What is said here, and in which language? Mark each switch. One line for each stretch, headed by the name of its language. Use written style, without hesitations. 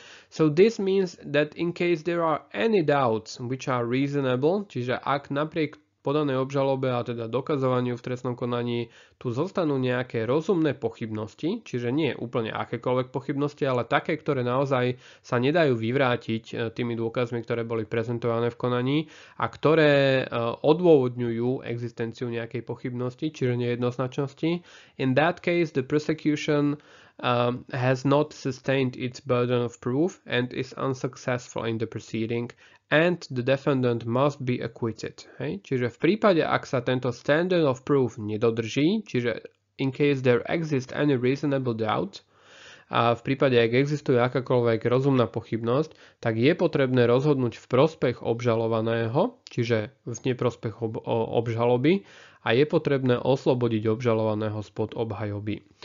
English: So this means that in case there are any doubts which are reasonable,
Slovak: čiže ak napriek podanej obžalobe a teda dokazovaniu v trestnom konaní tu zostanú nejaké rozumné pochybnosti, čiže nie úplne akékoľvek pochybnosti, ale také, ktoré naozaj sa nedajú vyvrátiť tými dôkazmi, ktoré boli prezentované v konaní a ktoré odôvodňujú existenciu nejakej pochybnosti, čiže nejednoznačnosti.
English: In that case, the prosecution has not sustained its burden of proof and is unsuccessful in the proceeding and the defendant must be acquitted.
Slovak: Hej? Čiže v prípade, ak sa tento
English: standard of proof
Slovak: nedodrží, čiže
English: in case there exists any reasonable doubt,
Slovak: a v prípade, ak existuje akákoľvek rozumná pochybnosť, tak je potrebné rozhodnúť v prospech obžalovaného, čiže v neprospech obžaloby, a je potrebné oslobodiť obžalovaného spod obhajoby.